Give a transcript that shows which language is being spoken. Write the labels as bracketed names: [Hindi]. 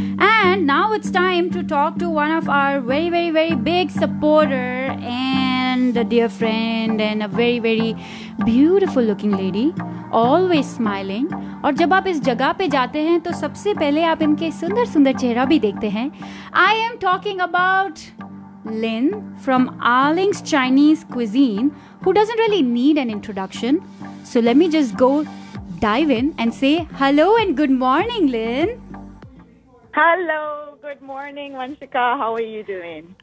[English] And now it's time to talk to one of our very, very, very big supporter and a dear friend and a very, very beautiful looking lady, always smiling. [Hindi] और जब आप इस जगह पे जाते हैं तो सबसे पहले आप इनके सुंदर सुंदर चेहरा भी देखते हैं. [English] I am talking about Lynn from Arlene's Chinese Cuisine, who doesn't really need an introduction. So let me just go dive in and say hello and good morning, Lynn. Hello, good morning, Vanshika. How are you doing?